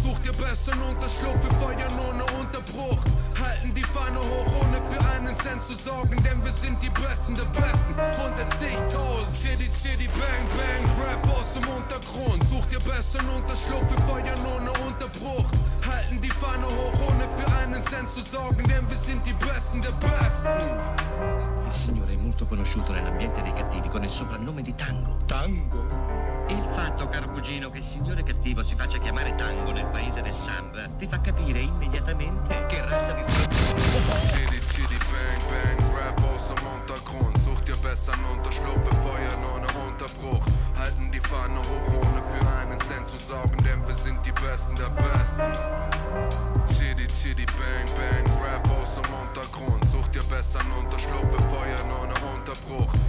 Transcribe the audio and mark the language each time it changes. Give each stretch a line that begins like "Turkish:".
German: Such dir besseren Unterschlupf, wir feuern ohne Unterbruch. Halten die Fahne hoch, ohne für einen Cent zu sorgen, denn wir sind die Besten der Besten. 110.000 City, City, Bang, Bang, Rap aus dem Untergrund. Such dir besseren Unterschlupf, wir feuern ohne Unterbruch. Halten die Fahne hoch, ohne für einen Cent zu sorgen, denn wir sind die Besten der Besten.
Italian: Il signore è molto conosciuto nell'ambiente dei cattivi con il soprannome di Tango. Tango? Il fatto, caro cugino, che il signore cattivo si faccia chiamare Tango nel paese del Samba ti fa capire immediatamente che razza di...
German: City, City, Bang, Bang, Rap, awesome Untergrund. Such dir besseren Unterschlupf, Feuer ohne Unterbruch. Halten die Fahne hoch, ohne für einen Cent zu sorgen, denn wir sind die Besten der Besten. City, City, Bang, Bang, Rap, awesome Untergrund. Such dir besseren Unterschlupf, Feuer ohne Unterbruch.